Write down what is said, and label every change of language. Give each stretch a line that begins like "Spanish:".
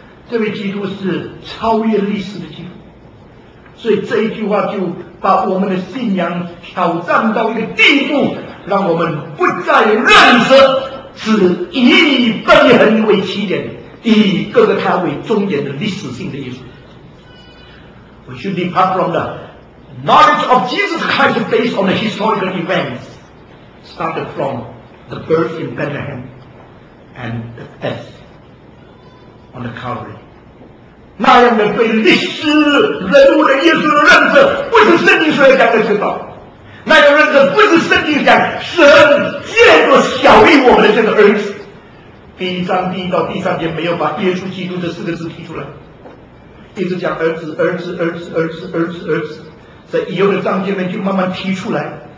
Chinese: 这位基督是超越历史的基督。所以这一句话就把我们的信仰挑战到一个地步，让我们不再认识只以本人为起点，以各个他为终点的历史性的耶稣。
English: We should depart from the knowledge of Jesus Christ based on the historical events started from the birth in Bethlehem and the death on the Calvary。
Chinese: 那样的对历史人物的耶稣的认识，不是圣经所要讲的知道。那个认识不是圣经讲神借着小于我们的这个儿子。第一章第一到第三节没有把耶稣基督这四个字提出来，一直讲儿子儿子儿子儿子儿子儿子，在以后的章节里面就慢慢提出来。